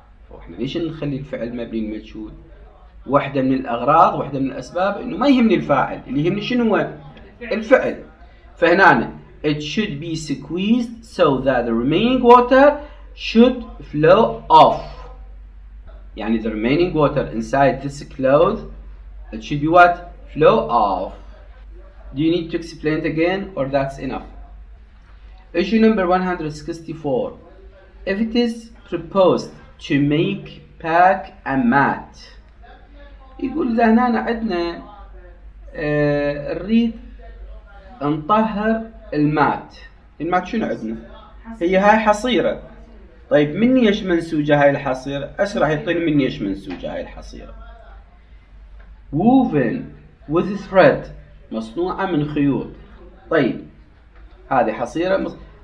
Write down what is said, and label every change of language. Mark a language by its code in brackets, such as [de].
[ar] واحنا ليش نخلي الفعل مبني المجهول واحده من الاغراض واحده من الاسباب انه ما يهمني الفاعل اللي يهمني شنو هو الفعل فهنا [en] it should be squeezed so that the remaining water should flow off يعني the remaining water inside this cloth it should be what flow off do you need to explain it again or that's enough Issue number 164. If it is proposed to make pack a mat, [ar] يقول إذا هنا عندنا نريد نطهر المات. المات شنو عندنا؟ هي هاي حصيرة. طيب مني إيش منسوجة هاي الحصيرة؟ أشرح يعطيني مني إيش منسوجة هاي الحصيرة. [en] Woven with thread. [ar] مصنوعة من خيوط. طيب هذه حصيرة.